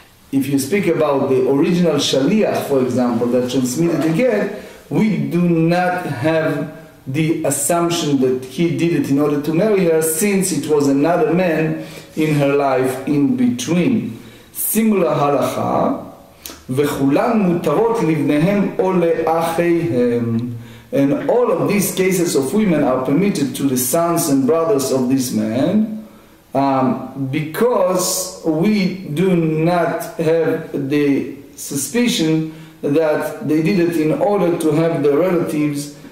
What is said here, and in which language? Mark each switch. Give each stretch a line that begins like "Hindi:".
English: If you speak about the original shaliach, for example, that transmitted the get, we do not have the assumption that he did it in order to marry her, since it was another man in her life in between. Similar halacha,
Hebrew: וכולן מותרות לבניהם או לאחיהם.
English: And all of these cases of women are permitted to the sons and brothers of this man, because we do not have the suspicion that they did it in order to have their relatives